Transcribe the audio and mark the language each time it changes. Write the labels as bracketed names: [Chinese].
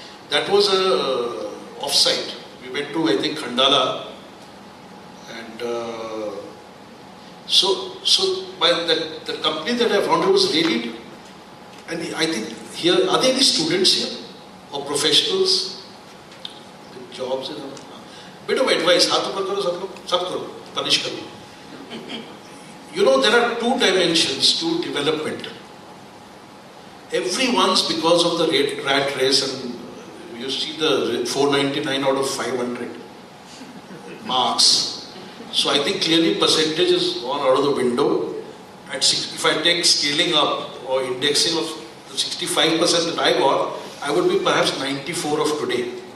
[English] That was a offsite. We went to I think Khandala, and so by the company that I founded was really, and I think here are there any students here or professionals with jobs in them? Bit of advice, [Hindi] हाथ ऊपर करो सब लोग, सब करो punish करो। [English] You know there are two dimensions to development. Everyone's because of the rat race, and you see the 499 out of 500 marks. So I think clearly percentage is gone out of the window. At 60, if I take scaling up or indexing of the 65% that I got, I would be perhaps 94 of today.